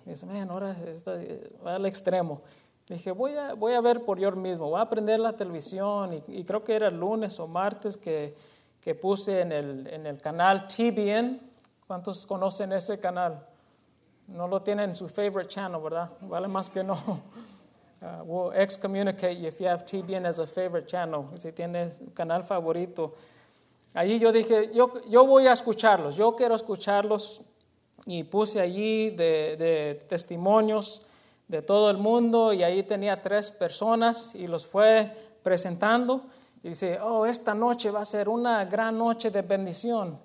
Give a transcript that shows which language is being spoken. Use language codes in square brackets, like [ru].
[es] Dice, ahora está, va al extremo. Dije, voy a ver por yo mismo, voy a prender la televisión. Y creo que era el lunes o martes que puse en el canal TBN. ¿Cuántos conocen ese canal? No lo tienen en su [en] favorite channel, [es] ¿verdad? Vale más que no. [en] We'll excommunicate you if you have TBN as a favorite channel. [es] Si tienes un canal favorito. Allí yo dije, yo voy a escucharlos. Yo quiero escucharlos. Y puse allí de testimonios de todo el mundo. Y ahí tenía tres personas y los fue presentando. Y dice, esta noche va a ser una gran noche de bendición.